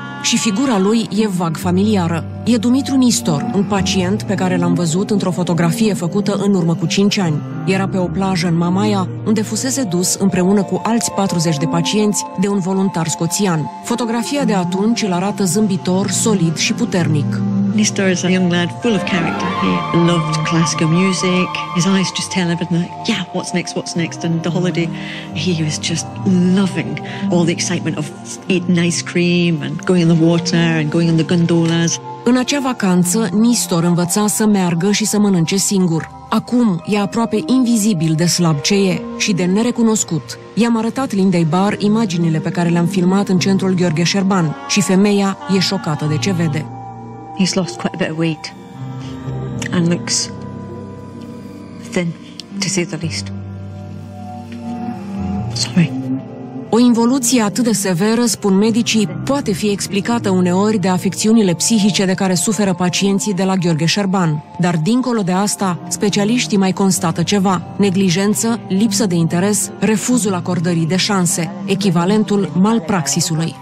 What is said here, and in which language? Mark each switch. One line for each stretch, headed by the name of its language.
Romanian: Și figura lui e vag familiară. E Dumitru Nistor, un pacient pe care l-am văzut într-o fotografie făcută în urmă cu 5 ani. Era pe o plajă în Mamaia, unde fusese dus împreună cu alți 40 de pacienți de un voluntar scoțian. Fotografia de atunci îl arată zâmbitor, solid și puternic.
English: Nistor is a young lad full of character. He loved classical music. His eyes just tell everything, like, yeah, what's next, and the holiday. He was just loving all the excitement of eating ice cream and going in the water and going in the gondolas.
Romanian: În acea vacanță, Nistor învăța să meargă și să mănânce singur. Acum e aproape invizibil de slab ce e și de nerecunoscut. I-am arătat Lindei Bar imaginile pe care le-am filmat în centrul Gheorghe Șerban și femeia e șocată de ce vede.
English: He's lost quite a bit of weight and looks thin, to say the least. Sorry.
Romanian: O involuție atât de severă, spun medicii, poate fi explicată uneori de afecțiunile psihice de care suferă pacienții de la Gheorghe Șerban. Dar dincolo de asta, specialiștii mai constată ceva. Neglijență, lipsă de interes, refuzul acordării de șanse, echivalentul malpraxisului.